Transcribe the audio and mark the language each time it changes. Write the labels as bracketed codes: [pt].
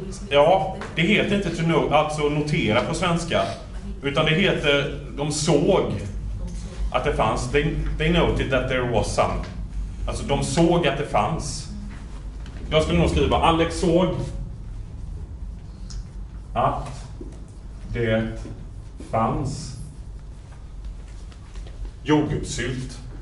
[sv] Ja, det heter inte [en] to note, [sv] alltså notera på svenska. Utan det heter, de såg att det fanns. [en] They noted that there was some. [sv] Alltså de såg att det fanns. Jag skulle nog skriva, Alex såg att det fanns jordgubbssylt.